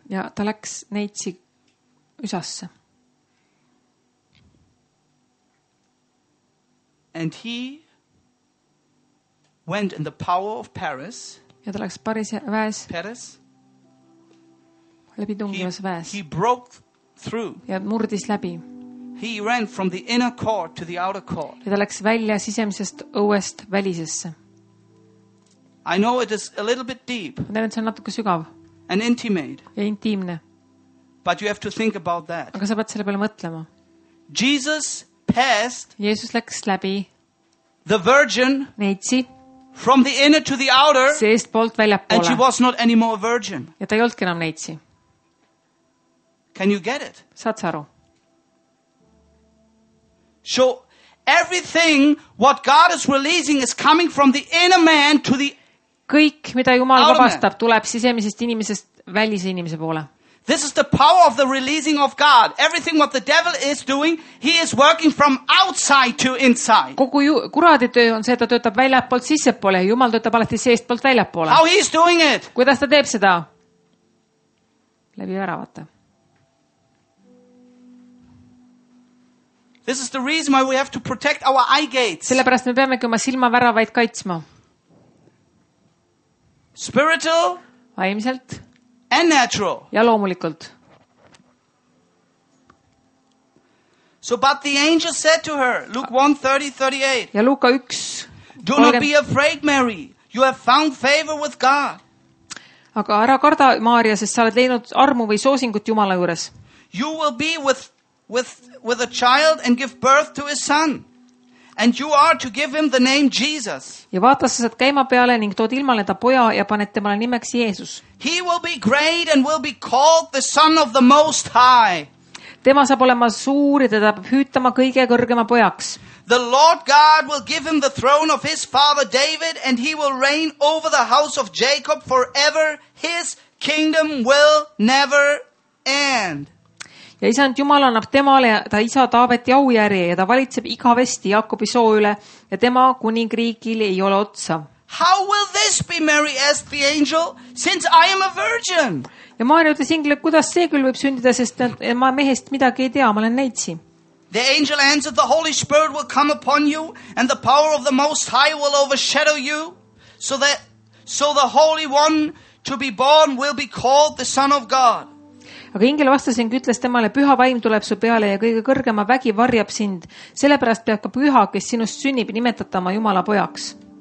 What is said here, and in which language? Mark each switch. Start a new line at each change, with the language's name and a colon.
Estonian: Ja ta läks neitsi üsasse.
English: And he went in the power of Paris.
Estonian: Ja ta läks Pariisi väes.
English: Paris.
Estonian: Läbi tungivas väes.
English: He broke through.
Estonian: Ja murdis läbi.
English: He ran from the inner court to the outer court.
Estonian: Ja ta läks välja sisemisest õuest välisesse.
English: I know it is a little bit deep.
Estonian: Ma tean, et see on natuke sügav.
English: And intimate.
Estonian: Ja intiimne.
English: But you have to think about that.
Estonian: Aga sa pead selle peale mõtlema.
English: Jesus passed.
Estonian: Jeesus läks läbi.
English: The virgin.
Estonian: Neitsi.
English: From the inner to the outer.
Estonian: Seest poolt väljapoole.
English: And she was not anymore a virgin.
Estonian: Ja ta ei olnud enam neitsi.
English: Can you get it?
Estonian: Saad sa aru?
English: So everything what God is releasing is coming from the inner man to the
Estonian: kõik, mida Jumal vabastab, tuleb sisemisest inimesest välise inimese poole.
English: This is the power of the releasing of God. Everything what the devil is doing, he is working from outside to inside.
Estonian: Kogu kuradi töö on see, et ta töötab väljapoolt sissepoole ja Jumal töötab alati seestpoolt väljapoole.
English: How he is doing it?
Estonian: Kuidas ta teeb seda? Läbi väravate.
English: This is the reason why we have to protect our eye gates.
Estonian: Sellepärast me peame oma silmaväravaid kaitsma.
English: Spiritual,
Estonian: vaimselt,
English: and natural.
Estonian: Ja loomulikult.
English: So but the angel said to her, Luke 1:30-38.
Estonian: Ja Luka 1.
English: Do not be afraid, Mary. You have found favor with God.
Estonian: Aga ära karda, Maarja, sest sa oled leinud armu või soosingut Jumala juures.
English: You will be with a child and give birth to his son. And you are to give him the name Jesus.
Estonian: Ja vaata, sa saad käima peale ning tood ilmale ta poja ja paned temale nimeks Jeesus.
English: He will be great and will be called the son of the Most High.
Estonian: Tema saab olema suur ja teda peab hüütama kõige kõrgema pojaks.
English: The Lord God will give him the throne of his father David and he will reign over the house of Jacob forever. His kingdom will never end.
Estonian: Ja isand Jumal annab temale ta isa Taaveti aujärje ja ta valitseb igavesti Jaakobi soo üle ja tema kuningriigil ei ole otsa.
English: How will this be, Mary asked the angel, since I am a virgin?
Estonian: Ja Maarja ütles ingile, kuidas see küll võib sündida, sest ma mehest midagi ei tea, ma olen neitsi.
English: The angel answered, the Holy Spirit will come upon you and the power of the Most High will overshadow you so the Holy One to be born will be called the Son of God.
Estonian: Aga ingel vastas ning ütles temale, püha vaim tuleb su peale ja kõige kõrgema vägi varjab sind. Sellepärast peab ka püha, kes sinust sünnib, nimetata oma Jumala pojaks.